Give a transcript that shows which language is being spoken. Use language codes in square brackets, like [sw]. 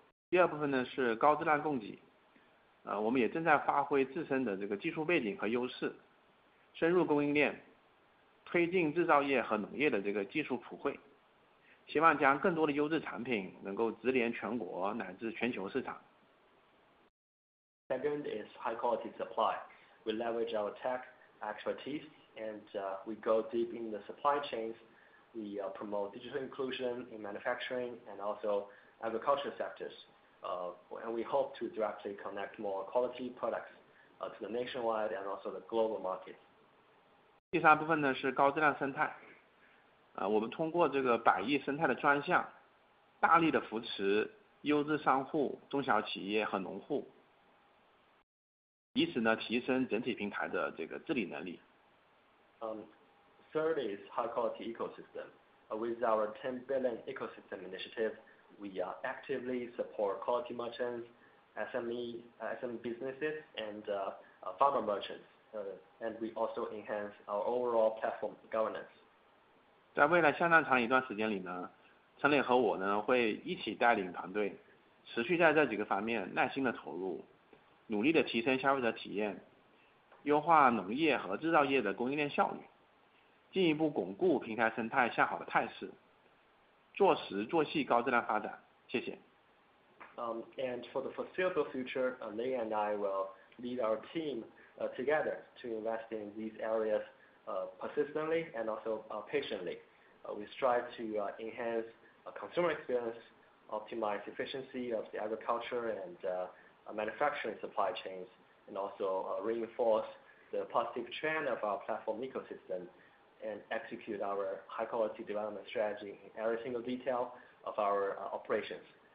[zh] 第二部分呢是高质量供给，我们也正在发挥自身的这个技术背景和优势，深入供应链，推进制造业和农业的这个技术普惠，希望将更多的优质产品能够直连全国乃至全球市场。 [en] Second is high quality supply. We leverage our tech expertise and we go deep in the supply chains. We promote digital inclusion in manufacturing and also agriculture sectors. and we hope to directly connect more quality products to the nationwide and also the global markets. [zh] 第三部分呢是高质量生态，我们通过这个百亿生态的专项，大力的扶持优质商户、中小企业和农户，以此呢提升整体平台的这个治理能力。 [en] Third is high quality ecosystem. With our 10 billion ecosystem initiative, we are actively support quality merchants, SME businesses, and farmer merchants. And we also enhance our overall platform governance. [zh] 在未来相当长一段时间里呢，陈磊和我呢会一起带领团队，持续在这几个方面耐心的投入，努力的提升消费者体验，优化农业和制造业的供应链效率，进一步巩固平台生态向好的态势，做实做细高质量发展。谢谢。 [en] And for the foreseeable future, Lei and I will lead our team together to invest in these areas persistently and also patiently. We strive to enhance consumer experience, optimize efficiency of the agriculture and manufacturing supply chains, and also reinforce the positive trend of our platform ecosystem and execute our high quality development strategy in every single detail of our operations.